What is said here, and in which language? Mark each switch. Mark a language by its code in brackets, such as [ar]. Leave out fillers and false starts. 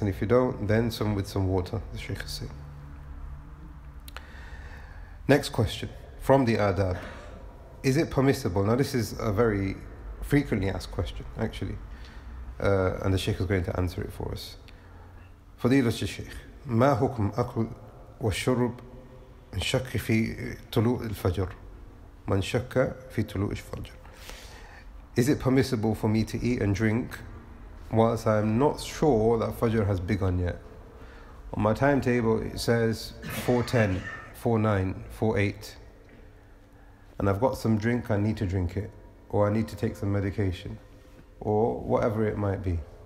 [en] And if you don't, then some with some water, the Shaykh is saying. Next question, from the adab. Is it permissible? Now this is a very frequently asked question, actually. And the Shaykh is going to answer it for us. Fadilat al-Shaykh. [ar] ما حكم أكل والشرب من شك في طلوع الفجر من شك في طلوع الفجر. [en] Is it permissible for me to eat and drink whilst I'm not sure that Fajr has begun yet? On my timetable it says 4:10, 4:09, 4:08, and I've got some drink, I need to drink it, or I need to take some medication, or whatever it might be.